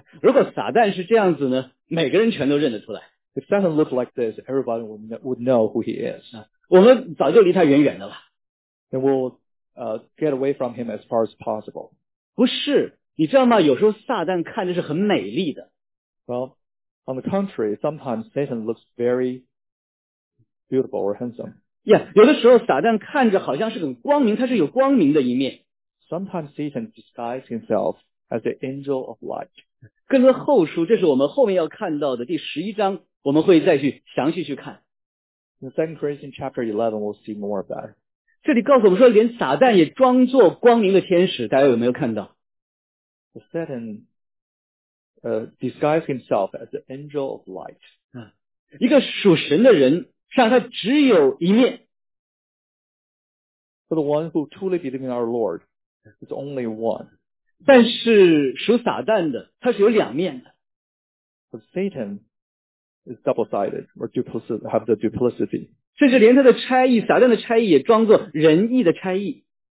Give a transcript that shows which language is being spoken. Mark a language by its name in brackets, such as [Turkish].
[Chinese] 如果撒旦是这样子呢，每个人全都认得出来。 [English] If Satan looked like this, everybody would know who he is. [Chinese] 我们早就离他远远的了。 [English] And we'll get away from him as far as possible. [Chinese] 不是，你知道吗？有时候撒旦看着是很美丽的。 [English] Well, on the contrary, sometimes Satan looks very beautiful or handsome. Yeah, [Chinese] 有的时候撒旦看着好像是很光明，他是有光明的一面。 [English] Sometimes Satan disguises himself as the angel of light. [Chinese] 跟着后书，这是我们后面要看到的第十一章，我们会再去详细去看。 [English] In 2 Corinthians chapter 11, we'll see more of that. [Chinese] 这里告诉我们说，连撒旦也装作光明的天使，大家有没有看到？ [English] Satan disguises himself as the angel of light. [Chinese] 一个属神的人，像他只有一面。 [English] For the one who truly believes in our Lord, it's only one. [Chinese] 但是属撒旦的，他是有两面的。 [English] But Satan is double-sided or have the duplicity. [Chinese] 甚至连他的差役，撒旦的差役也装作仁义的差役。